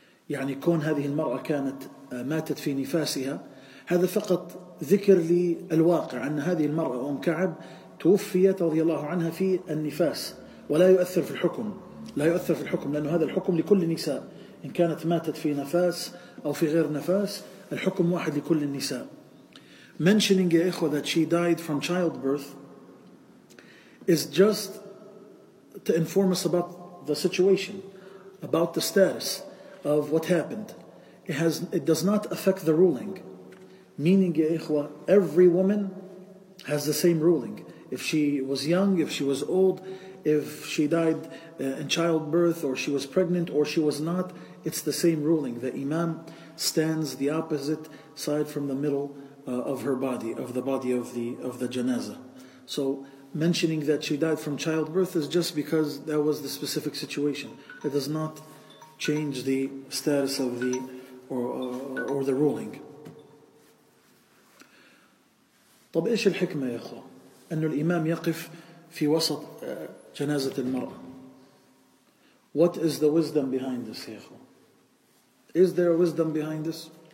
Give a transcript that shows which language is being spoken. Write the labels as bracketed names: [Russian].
[Arabic] يعني كون هذه المرأة كانت ماتت في نفاسها هذا فقط ذكر للواقع أن هذه المرأة أم كعب توفيت رضي الله عنها في النفاس, ولا يؤثر في الحكم, لا يؤثر في الحكم, لأن هذا الحكم لكل نساء إن كانت ماتت في نفاس أو في غير نفاس, الحكم واحد لكل النساء. [English] Mentioning [Arabic] يا إخوة [English] that she died from childbirth is just to inform us about the situation, about the status of what happened. It does not affect the ruling. Meaning [Arabic] يا إخوة, [English] every woman has the same ruling. If she was young, if she was old, if she died in childbirth, or she was pregnant, or she was not, it's the same ruling. The Imam stands the opposite side from the middle of her body, of the body of the janazah. So mentioning that she died from childbirth is just because that was the specific situation. It does not change the status of the or the ruling. [Arabic] طب إيش الحكمة يا أخو أن الإمام يقف في وسط جنازة المرأة؟ [English] What is the wisdom behind this [Arabic] يا أخو؟ [English] Is there a wisdom behind this?